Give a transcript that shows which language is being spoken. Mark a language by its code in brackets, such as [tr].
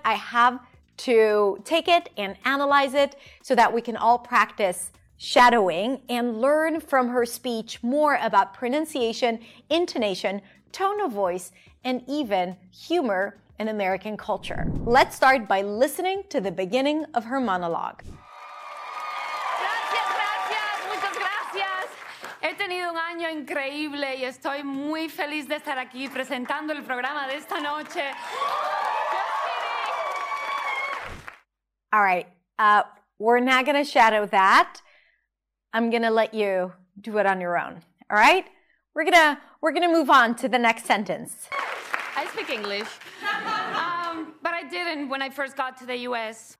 [en] I have to take it and analyze it so that we can all practice shadowing and learn from her speech more about pronunciation, intonation, tone of voice, and even humor in American culture. Let's start by listening to the beginning of her monologue. [es] He tenido un año increíble y estoy muy feliz de estar aquí presentando el programa de esta noche. [en] All right, we're not going to shadow that. I'm going to let you do it on your own. All right? We're going to move on to the next sentence. I speak English. But I didn't when I first got to the US.